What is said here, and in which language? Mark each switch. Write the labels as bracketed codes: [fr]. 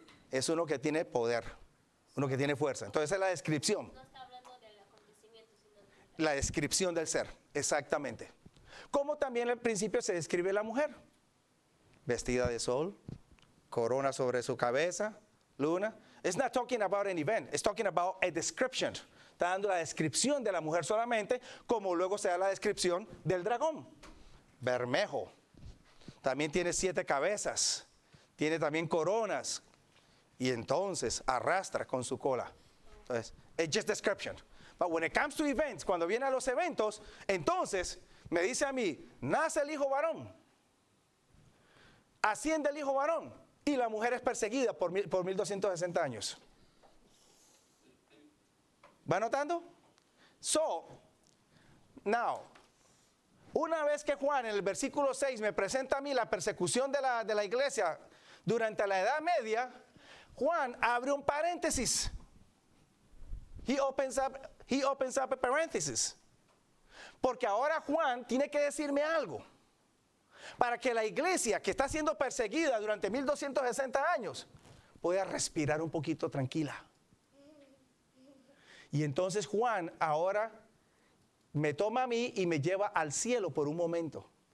[es] Es uno que tiene poder, uno que tiene fuerza. Entonces, esa es la descripción. La descripción del ser, exactamente. Como también al principio se describe la mujer, vestida de sol, corona sobre su cabeza, luna. [en] It's not talking about an event, it's talking about a description. [es] Está dando la descripción de la mujer solamente, como luego se da la descripción del dragón. Bermejo, también tiene siete cabezas, tiene también coronas, y entonces arrastra con su cola. Entonces, [en] it's just description. But when it comes to events, [es] cuando viene a los eventos, entonces me dice a mí, nace el hijo varón, asciende el hijo varón y la mujer es perseguida por 1260 años. ¿Va notando? [en] So, now, [es] una vez que Juan en el versículo 6 me presenta a mí la persecución de la iglesia durante la Edad Media, Juan abre un paréntesis. [en] He opens up a parenthesis. [es] Porque ahora Juan tiene que decirme algo. Para que la iglesia que está siendo perseguida durante 1260 años pueda respirar un poquito tranquila. Y entonces Juan ahora me toma a mí y me lleva al cielo por un momento.